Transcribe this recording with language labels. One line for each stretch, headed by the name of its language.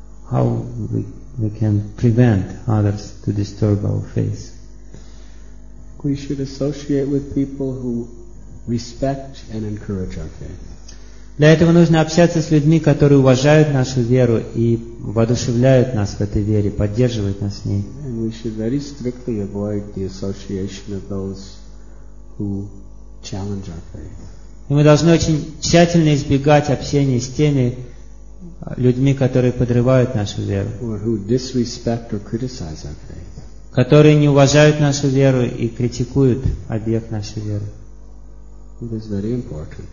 English: How we can prevent others to disturb our face? We should associate with people who respect and encourage our faith.
Russian: Для этого нужно общаться с людьми, которые уважают нашу веру и воодушевляют нас в этой вере, поддерживают нас в ней.
English: And we should very strictly avoid the association of those who challenge our faith.
Russian: И мы должны очень тщательно избегать общения с теми людьми, которые подрывают нашу веру.
English: Or who disrespect or criticize our faith.
Russian: Которые не уважают нашу веру и критикуют объект нашей веры.
English: It is very important.